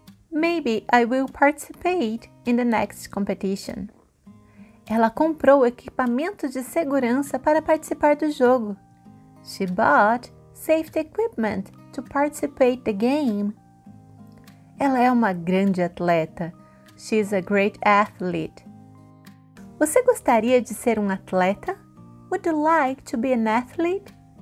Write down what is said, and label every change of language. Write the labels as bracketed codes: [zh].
[en] Maybe I will participate in the next competition. [pt] Ela comprou equipamento de segurança para participar do jogo. [en] She bought safety equipment to participate the game. [pt] Ela é uma grande atleta. [en] She is a great athlete. [pt] Você gostaria de ser um atleta? [en] Would you like to be an athlete?